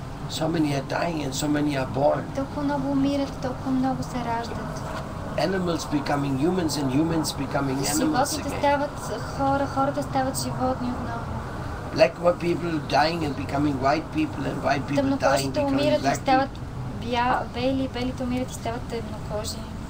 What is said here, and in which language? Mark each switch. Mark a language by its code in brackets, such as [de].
[en] So many are dying and so many are born. [bg] Толкова много умират, толкова много се раждат. [en] Animals becoming humans and humans becoming animals again. [bg] Животните стават хора, хората стават животни отново. [en] Black people dying and becoming white people and white people dying and becoming black people. [bg] Тъмнокожите умират и стават бели, белите умират и стават тъмнокожи.